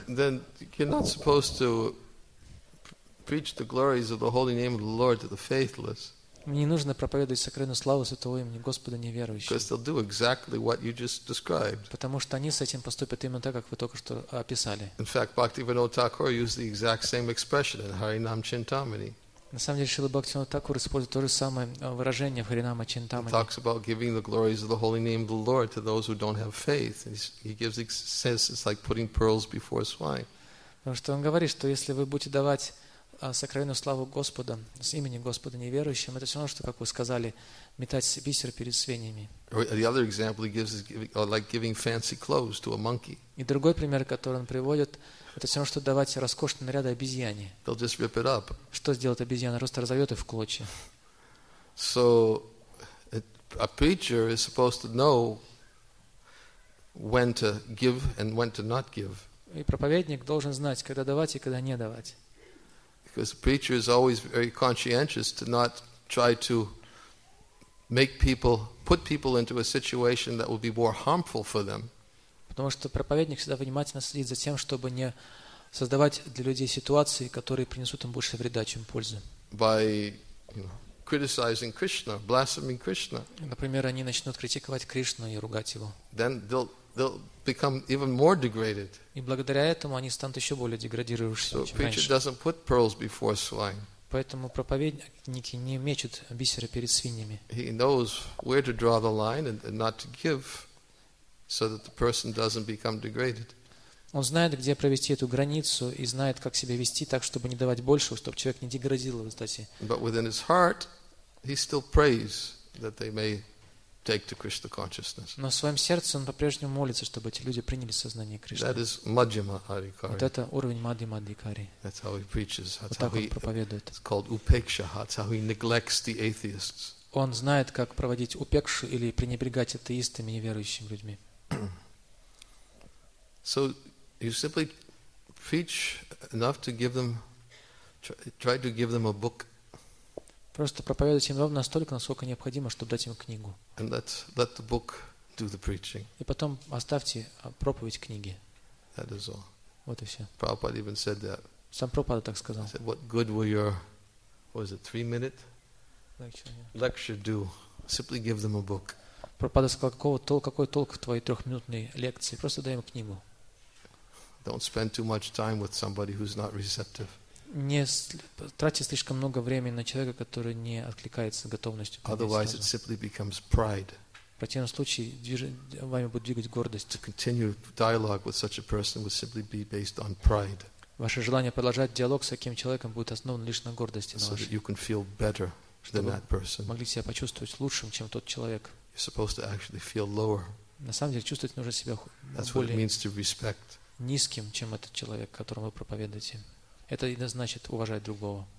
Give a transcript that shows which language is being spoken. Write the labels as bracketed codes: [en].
[en] then you're not supposed to preach the glories of the holy name of the Lord to the faithless. [ru] Не нужно проповедовать сокровенную славу Святого имени Господа неверующим. [en] Because they'll do exactly what you just described. [ru] Потому что они с этим поступят именно так, как вы только что описали. [en] In fact, Bhaktivinoda Thakur used the exact same expression in Harinam Chintamani. [ru] На самом деле, Шрила Бхактивинода Тхакур использует то же самое выражение в Харинама Чинтамани. [en] He talks about giving the glories of the holy name of the Lord to those who don't have faith. He gives it sense, it's like putting pearls before swine. [ru] Потому что он говорит, что если вы будете давать сокровенную славу Господа, с имени Господа неверующим, это все равно, что, как вы сказали, метать бисер перед свиньями. [en] The other example he gives is like giving fancy clothes to a monkey. [ru] И другой пример, который он приводит, это все равно, что давать роскошные наряды обезьяне. [en] They'll just rip it up. [ru] Что сделает обезьяна? Просто разовьет их в клочья. [en] So, a preacher is supposed to know when to give and when to not give. [ru] И проповедник должен знать, когда давать и когда не давать. [en] Because a preacher is always very conscientious to not try to make people, put people into a situation that will be more harmful for them. [ru] Потому что проповедник всегда внимательно следит за тем, чтобы не создавать для людей ситуации, которые принесут им больше вреда, чем пользы. [en] By, you know, criticizing Krishna, blaspheming Krishna. [ru] Например, они начнут критиковать Кришну и ругать его. [en] Then they'll become even more degraded. [ru] И благодаря этому они станут еще более деградирующими, чем раньше. [en] So preacher doesn't put pearls before swine. [ru] Поэтому проповедники не мечут бисера перед свиньями. [en] He knows where to draw the line and not to give, so that the person doesn't become degraded. [ru] Он знает, где провести эту границу, и знает, как себя вести так, чтобы не давать больше, чтобы человек не деградировал, кстати. [en] But within his heart, he still prays that they may take to Krishna consciousness. [ru] Но в своем сердце он по-прежнему молится, чтобы эти люди приняли сознание Кришны. [en] That is Madhyama Adhikari. [ru] Вот это уровень Madhyama Adhikari. [en] That's how he preaches. [ru] Вот так он проповедует. [en] It's called Upeksha. That's how he neglects the atheists. [ru] Он знает, как проводить упекшу или пренебрегать атеистами и верующими людьми. [en] So you simply preach enough to give them, try to give them a book. [ru] Просто проповедовать им ровно настолько, насколько необходимо, чтобы дать им книгу. [en] And let the book do the preaching. [ru] И потом оставьте проповедь книги. [en] That is all. [ru] Вот и все. [en] Prabhupada even said that. [ru] Сам Прабхупада так сказал. [en] He said, what good will your, what is it, 3-minute lecture do? Simply give them a book. [ru] Прабхупада сказал, какой толк в твоей 3-минутной лекции? Просто дай им книгу. [en] Don't spend too much time with somebody who's not receptive. [ru] Не тратьте слишком много времени на человека, который не откликается готовностью. [en] Otherwise, it simply becomes pride. [ru] В противном случае, вами будет двигать гордость. [en] To continue dialogue with such a person would simply be based on pride. [ru] Ваше желание продолжать диалог с таким человеком будет основано лишь на гордости. [en] So that you can feel better than that person. [ru] Могли себя почувствовать лучшим, чем тот человек. [en] You're supposed to actually feel lower. [ru] На самом деле, чувствовать нужно себя более. [en] That's what it means to respect. [ru] Низким, чем этот человек, которому вы проповедуете. Это не значит уважать другого.